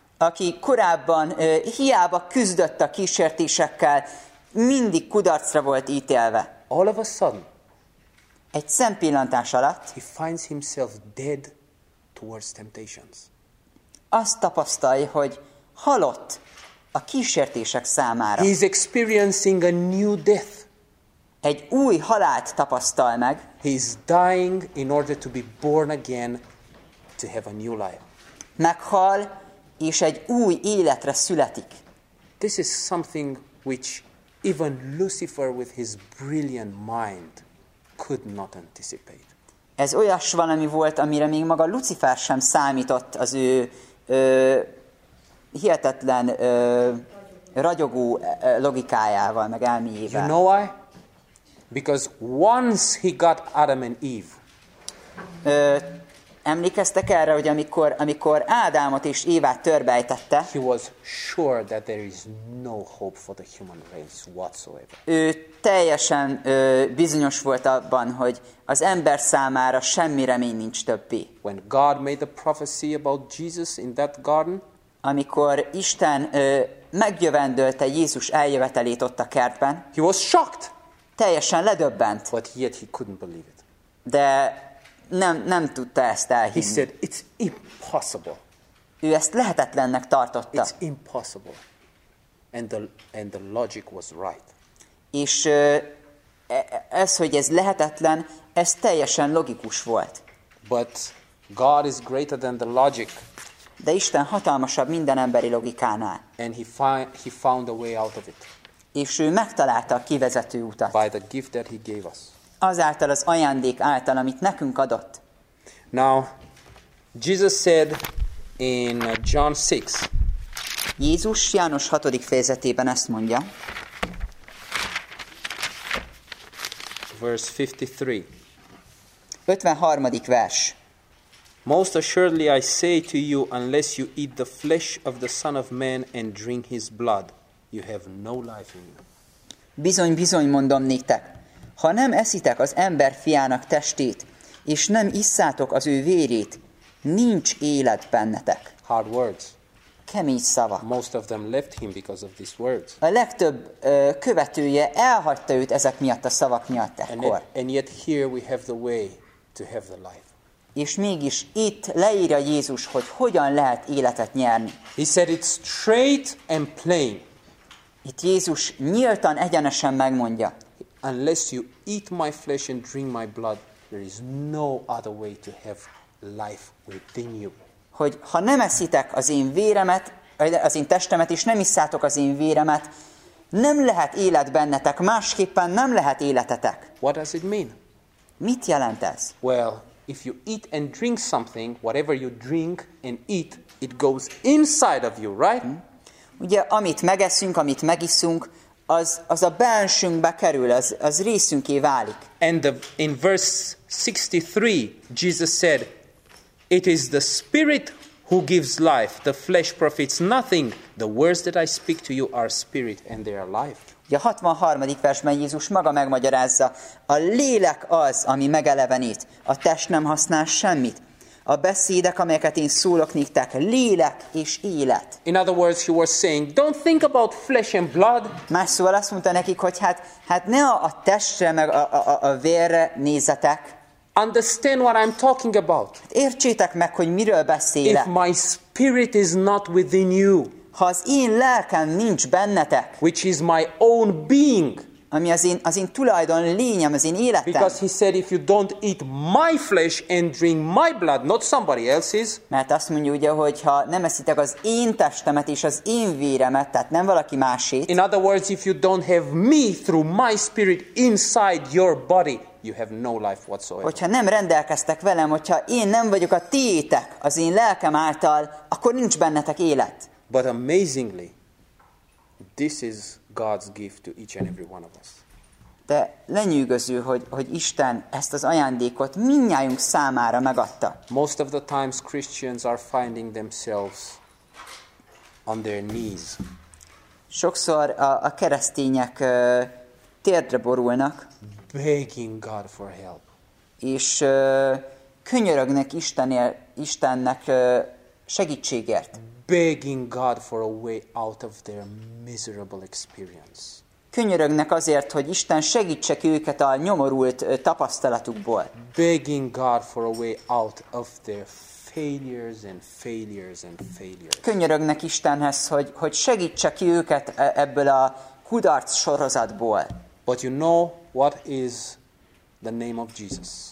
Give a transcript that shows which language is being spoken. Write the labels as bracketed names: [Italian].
[Hungarian] Aki korábban hiába küzdött a kísértésekkel, mindig kudarcra volt ítélve. [English] All of a sudden, [Hungarian] egy szempillantás alatt, [English] he finds himself dead towards temptations. [Hungarian] Azt tapasztalja, hogy halott a kísértések számára. [English] He is experiencing a new death. [Hungarian] Egy új halált tapasztal meg. [English] He is dying in order to be born again, to have a new life. [Hungarian] Meghal, és egy új életre születik. [English] This is something which even Lucifer with his brilliant mind could not anticipate. [Hungarian] Ez olyas valami volt, amire még maga Lucifer sem számított az ő hihetetlen ragyogó logikájával, meg elméjével. [English] You know why? Because once he got Adam and Eve. [Hungarian] Emlékeztek erre, hogy amikor Ádámot és Évát törbejtette, [English] he was sure that there is no hope for the human race whatsoever. [Hungarian] Ő teljesen bizonyos volt abban, hogy az ember számára semmi remény nincs többé. [English] When God made the prophecy about Jesus in that garden, [Hungarian] amikor Isten megjövendölte Jézus eljövetelét ott a kertben, [English] he was shocked. [Hungarian] Teljesen ledöbbent. [English] But yet he couldn't believe it. [Hungarian] De nem tudta ezt elhinni. [English] He said, it's impossible. [Hungarian] Ő ezt lehetetlennek tartotta. [English] It's impossible. And the logic was right. [Hungarian] És ez, hogy ez lehetetlen, ez teljesen logikus volt. [English] But God is greater than the logic. [Hungarian] De Isten hatalmasabb minden emberi logikánál. [English] And he found a way out of it. [Hungarian] És ő megtalálta a kivezető utat. [English] By the gift that he gave us. [Hungarian] Azáltal az ajándék által, amit nekünk adott. [English] Now, Jesus said in John 6. [Hungarian] Jézus János 6. fejezetében ezt mondja. [English] Verse 53. [Hungarian] 53. vers. [English] Most assuredly I say to you, unless you eat the flesh of the Son of Man and drink his blood, you have no life in you. [Hungarian] Bizony-bizony mondom néktek. Ha nem eszitek az ember fiának testét, és nem isszátok az ő vérét, nincs élet bennetek. [English] Hard words. [Hungarian] Kemény szavak. [English] Most of them left him because of these words. [Hungarian] A legtöbb követője elhagyta őt ezek miatt a szavak miatt ekkor. [English] And yet here we have the way to have the life. [Hungarian] És mégis itt leírja Jézus, hogy hogyan lehet életet nyerni. [English] He said it straight and plain. [Hungarian] Itt Jézus nyíltan, egyenesen megmondja. [English] Unless you eat my flesh and drink my blood, there is no other way to have life within you. [Hungarian] Hogy ha nem eszitek az én véremet, az én testemet, és nem isszátok az én véremet, nem lehet élet bennetek, másképpen nem lehet életetek. [English] What does it mean? [Hungarian] Mit jelent ez? [English] Well, if you eat and drink something, whatever you drink and eat, it goes inside of you, right? [Hungarian] Ugye, amit megeszünk, amit megiszunk, Az a bensünkbe kerül, az részünké válik. [English] And in verse 63, Jesus said, it is the spirit who gives life, the flesh profits nothing. The words that I speak to you are spirit and they are life. [Hungarian] A 63. versben Jézus maga megmagyarázza, a lélek az, ami megelevenít, a test nem használ semmit. A beszédek, amelyeket én szólok néktek, lélek és élet. [English] In other words, he was saying, don't think about flesh and blood. [Hungarian] Más szóval azt mondta nekik, hogy hát ne a testre, meg a vérre nézzetek. [English] Understand what I'm talking about. [Hungarian] Hát értsétek meg, hogy miről beszélek. [English] If my spirit is not within you. [Hungarian] Ha az én lelkem nincs bennetek. [English] Which is my own being. [Hungarian] ami az én tulajdon lényem, az én életem. [English] Because he said, if you don't eat my flesh and drink my blood, not somebody else's. [Hungarian] Mert azt mondja ugye, hogy ha nem eszitek az én testemet és az én véremet, tehát nem valaki másét. [English] In other words, if you don't have me through my spirit inside your body, you have no life whatsoever. [Hungarian] Hogyha nem rendelkeztek velem, hogyha én nem vagyok a tiétek, az én lelkem által, akkor nincs bennetek élet. [English] But amazingly, this is God's gift to each and every one of us. [Hungarian] De lenyűgöző, hogy Isten ezt az ajándékot mindnyájunk számára megadta. [English] Most of the times Christians are finding themselves on their knees. [Hungarian] Sokszor a keresztények térdre borulnak. [English] Begging God for help. [Hungarian] És könyörögnek Istennek segítségért. [English] Begging God for a way out of their miserable experience. [Hungarian] Könyörögnek azért, hogy Isten segítse ki őket a nyomorult tapasztalatukból. [English] Begging God for a way out of their failures and failures and failures. [Hungarian] Könyörögnek Istenhez, hogy segítse ki őket ebből a kudarc sorozatból. [English] But you know what is the name of Jesus?